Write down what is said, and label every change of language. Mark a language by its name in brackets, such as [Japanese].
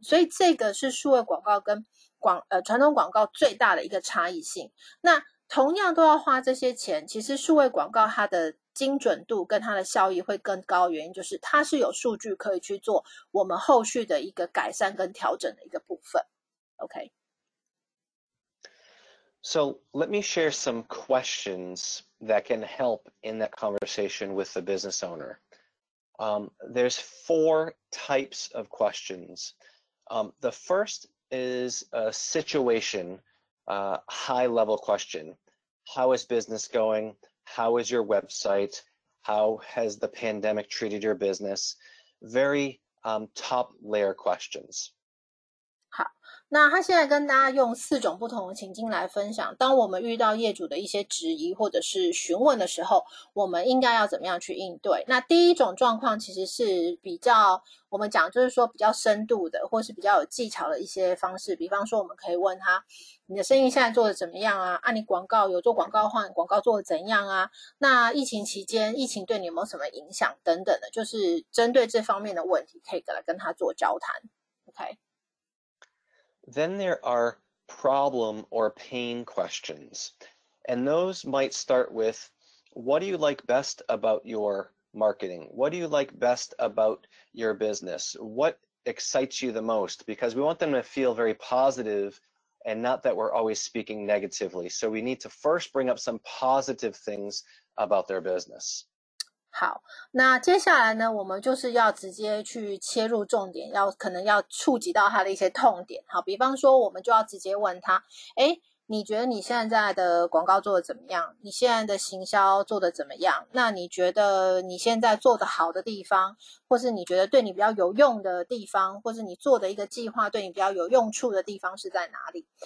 [Chinese] 所以这个是数位广告跟传统广告最大的一个差异性。那同样都要花这些钱，其实数位广告它的精准度跟它的效益会更高，原因就是它是有数据可以去做我们后续的一个改善跟调整的一个部分。 [English] OK. So let me share some questions that can help in that conversation with the business owner. There's four types of questions. The first is a situation, high-level question. How is business going? How is your website? How has the pandemic treated your business? Very top layer questions. [Chinese] 好，那他现在跟大家用四种不同的情境来分享，当我们遇到业主的一些质疑或者是询问的时候，我们应该要怎么样去应对。那第一种状况其实是比较，我们讲就是说比较深度的，或是比较有技巧的一些方式，比方说我们可以问他，你的生意现在做的怎么样啊？啊，你广告有做广告的话，你广告做的怎样啊？那疫情期间，疫情对你有没有什么影响等等的，就是针对这方面的问题，可以来跟他做交谈。 [English] OK。 Then there are problem or pain questions, and those might start with, what do you like best about your marketing? What do you like best about your business? What excites you the most? Because we want them to feel very positive and not that we're always speaking negatively. So we need to first bring up some positive things about their business. [Chinese] 好，那接下来呢，我们就是要直接去切入重点，要可能要触及到他的一些痛点。好，比方说我们就要直接问他，诶，你觉得你现在的广告做的怎么样？你现在的行销做的怎么样？那你觉得你现在做的好的地方，或是你觉得对你比较有用的地方，或是你做的一个计划对你比较有用处的地方是在哪里？